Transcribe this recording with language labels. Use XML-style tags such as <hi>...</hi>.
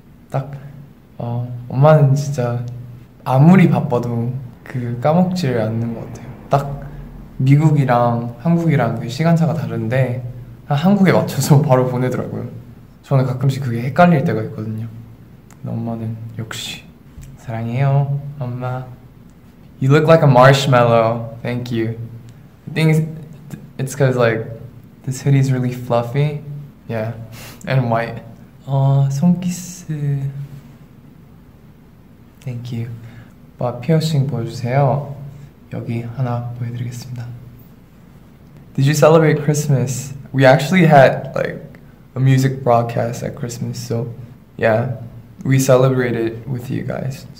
<ko>딱, 엄마는 진짜 아무리 바빠도 그 까먹지를 않는 것 같아요. 딱 미국이랑 한국이랑 그 시간차가 다른데 한국에 맞춰서 바로 보내더라고요. 저는 가끔씩 그게 헷갈릴 때가 있거든요. 엄마는 역시 사랑해요, 엄마.</ko> <en>You look like a marshmallow. Thank you. I think it's because like this hoodie is really fluffy. Yeah, and white.</en> <ko>손키스.</ko> <en>Thank you.</en> <ko>오빠 피어싱 보여주세요. 여기 하나 보여드리겠습니다.</ko> <en>Did you celebrate Christmas? We actually had like a music broadcast at Christmas, so yeah, we celebrated with you guys.</en>